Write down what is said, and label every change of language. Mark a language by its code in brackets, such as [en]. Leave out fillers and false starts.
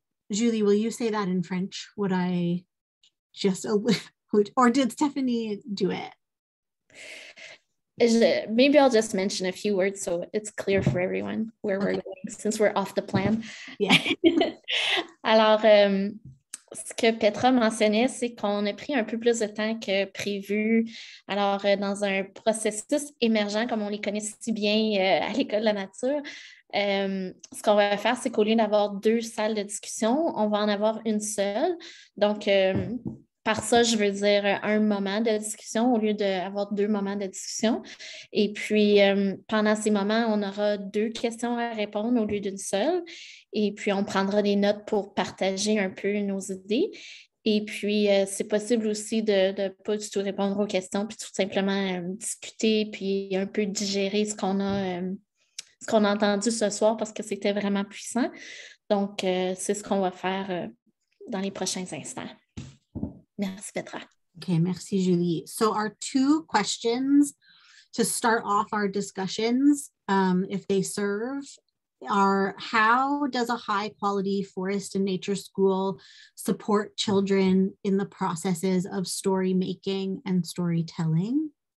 [en] Julie, will you say that in French? What I just, or did Stephanie do it? Maybe I'll just mention a few words so it's clear for everyone where we're going, since we're off the plan. Yeah. [fr] Alors, ce que Petra mentionnait, c'est qu'on a pris un peu plus de temps que prévu. Alors, dans un processus émergent, comme on les connaît si bien à l'École de la nature, ce qu'on va faire, c'est qu'au lieu d'avoir deux salles de discussion, on va en avoir une seule. Donc, par ça, je veux dire un moment de discussion au lieu d'avoir deux moments de discussion. Et puis, pendant ces moments, on aura deux questions à répondre au lieu d'une seule. Et puis, on prendra des notes pour partager un peu nos idées. Et puis, c'est possible aussi de ne pas du tout répondre aux questions, puis tout simplement discuter, puis un peu digérer ce qu'on a entendu ce soir, parce que c'était vraiment puissant. Donc, c'est ce qu'on va faire dans les prochains instants. Merci, Petra. Okay, merci, Julie. [en] So our two questions to start off our discussions, if they serve, are how does a high quality forest and nature school support children in the processes of story making and storytelling?